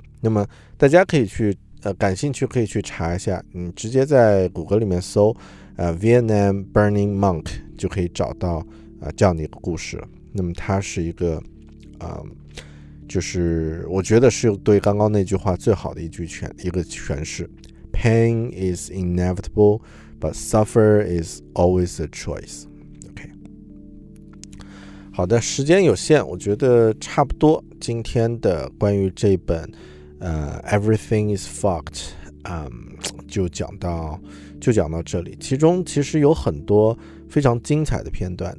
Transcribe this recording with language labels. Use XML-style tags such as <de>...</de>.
<zh>那么大家可以去感兴趣可以去查一下，你直接在谷歌里面搜Vietnam Burning Monk 就可以找到这样的一个故事。那么它是一个就是我觉得是对刚刚那句话最好的一个诠释。</zh> <en>Pain is inevitable, but suffer is always a choice.</en> <zh>OK， 好的，时间有限，我觉得差不多。今天的关于这本Everything is fucked， 就讲到这里。其中其实有很多非常精彩的片段。</zh>